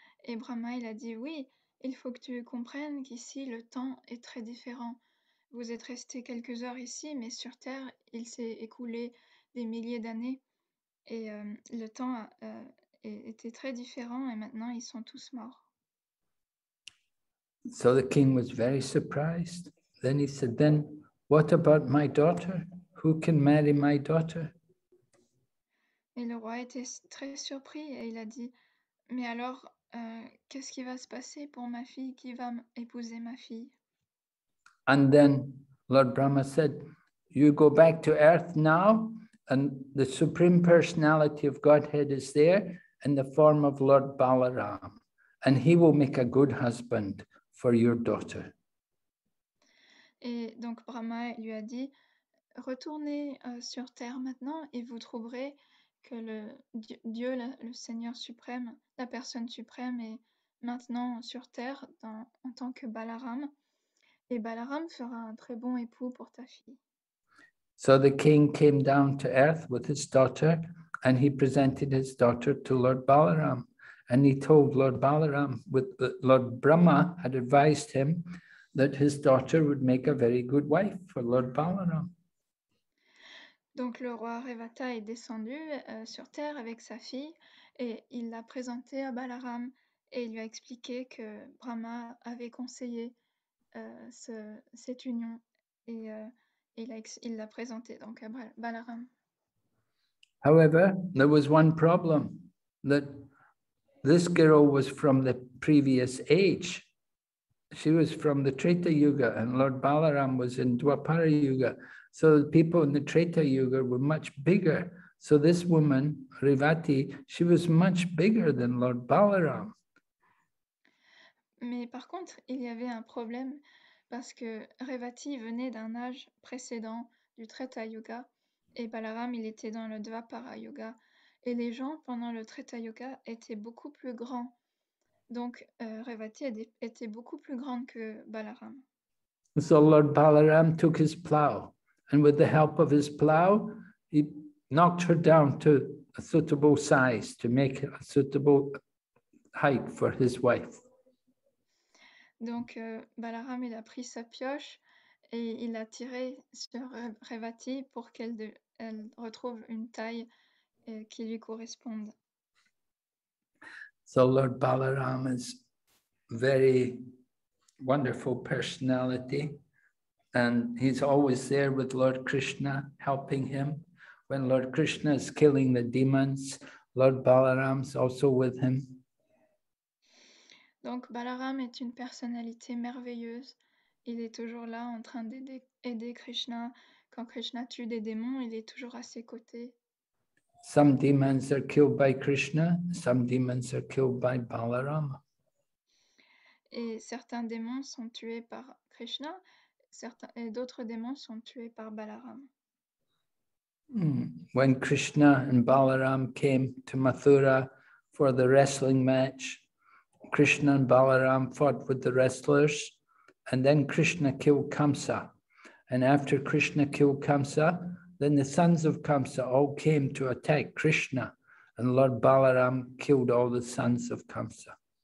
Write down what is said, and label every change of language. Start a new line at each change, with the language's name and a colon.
French: Et Brahma, il a dit, oui, il faut que tu comprennes qu'ici, le temps est très différent. Vous êtes resté quelques heures ici, mais sur Terre, il s'est écoulé des milliers d'années. Et le temps était très différent, et maintenant, ils sont tous morts.
English: So the king was very surprised. Then he said, then what about my daughter? Who can marry my daughter?
French: Et le roi était très surpris et il a dit, mais alors, qu'est-ce qui va se passer pour ma fille? Qui va épouser ma fille?
English: And then Lord Brahma said, you go back to earth now and the supreme personality of Godhead is there in the form of Lord Balaram and he will make a good husband for your daughter.
French: Et donc Brahma lui a dit, retournez sur terre maintenant et vous trouverez que le Dieu, le Seigneur suprême, la personne suprême est maintenant sur terre en tant que Balaram. Et Balaram sera un très bon époux pour ta fille.
English: So the king came down to earth with his daughter and he presented his daughter to Lord Balaram. And he told Lord Balaram, with Lord Brahma had advised him that his daughter would make a very good wife for Lord Balaram.
French: Donc le roi Revata est descendu sur terre avec sa fille et il l'a présentée à Balaram et il lui a expliqué que Brahma avait conseillé cette union et il l'a présentée donc à Balaram.
English: However, there was one problem that this girl was from the previous age. She was from the Treta Yuga and Lord Balaram was in Dwapara Yuga. So the people in the Treta Yuga were much bigger. So this woman, Revati, she was much bigger than Lord Balaram.
French: Mais par contre, il y avait un problème parce que Revati venait d'un âge précédent du Treta Yuga et Balaram, il était dans le Dvapara Yuga. Et les gens, pendant le Treta Yuga, étaient beaucoup plus grands. Donc Revati était beaucoup plus grande que Balaram.
English: So Lord Balaram took his plow. And with the help of his plow, he knocked her down to a suitable size to make a suitable height for his wife.
French: Donc Balaram il a pris sa pioche et il a tiré sur Revati pour qu'elle retrouve une taille qui lui corresponde.
English: So Lord Balaram is very wonderful personality. And he's always there with Lord Krishna, helping him. When Lord Krishna is killing the demons, Lord Balaram's also with him.
French: Donc Balaram est une personnalité merveilleuse. Il est toujours là en train d'aider Krishna. Quand Krishna tue des démons, il est toujours à ses côtés.
English: Some demons are killed by Krishna, some demons are killed by Balaram.
French: Et certains démons sont tués par Krishna. Certains et d'autres démons sont tués par Balaram.
English: When Krishna and Balaram came to Mathura for the wrestling match, Krishna and Balaram fought with the wrestlers, and then Krishna killed Kamsa. And after Krishna killed Kamsa, then the sons of Kamsa all came to attack Krishna, and Lord Balaram killed all the sons of Kamsa.